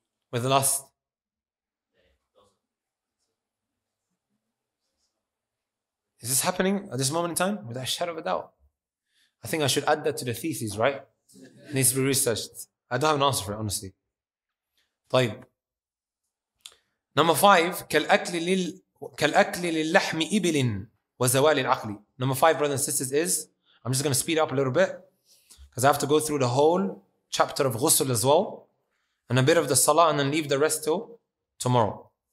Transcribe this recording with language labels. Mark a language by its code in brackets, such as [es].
[en] With lust? Is this happening at this moment in time? Without a shadow of a doubt. I think I should add that to the thesis, right? It needs to be researched. I don't have an answer for it, honestly. [ar] طيب. [en] Number 5, [ar] كَالْأَكْلِ لِلَّحْمِ إِبِلٍ وَزَوَالِ الْعَقْلِ. [en] Number 5, brothers and sisters, is I'm just going to speed up a little bit because I have to go through the whole chapter of ghusl as well and a bit of the salah and then leave the rest till tomorrow.